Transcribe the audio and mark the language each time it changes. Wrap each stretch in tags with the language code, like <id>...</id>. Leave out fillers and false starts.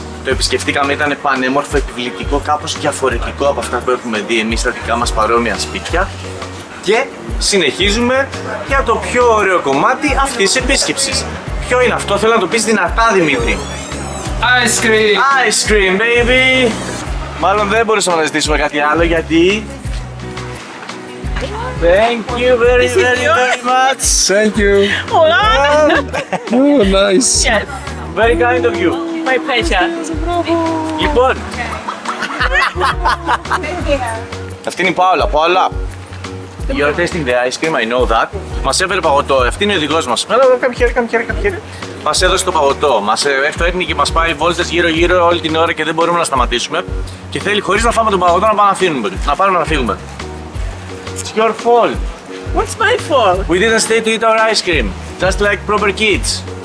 <el>Το επισκεφτήκαμε, ήταν πανέμορφο, επιβλητικό, κάπως διαφορετικό από αυτά που έχουμε δει εμείς στα δικά μας παρόμοια σπίτια. Και συνεχίζουμε για το πιο ωραίο κομμάτι αυτής της επίσκεψης. Ποιο είναι αυτό, θέλω να το πεις δυνατά, Δημήτρη.</el> <en>Ice cream! Ice cream, baby!</en> <el>Μάλλον δεν μπορούσαμε να ζητήσουμε κάτι άλλο, γιατί...</el> <en>Thank you very, very, very much! Thank you! Oh, nice! Yes. Very kind of you! My pleasure!</en> <el>Λοιπόν... Αυτή είναι η Πάολα, Πάολα!</el> <en>You're tasting the ice cream, I know that.</en> <el>Μας έφερε παγωτό, αυτή είναι ο οδηγός μας. Έλα, κάμι χέρι. Μας έδωσε το παγωτό, μας έφερνει και μας πάει βόλτες γύρω-γύρω όλη την ώρα και δεν μπορούμε να σταματήσουμε. Και θέλει, χωρίς να φάμε τον παγωτό, να πάμε να φύγουμε.</el> <en>It's your fault. What's my fault? We didn't stay to eat our ice cream, just like proper kids.</en>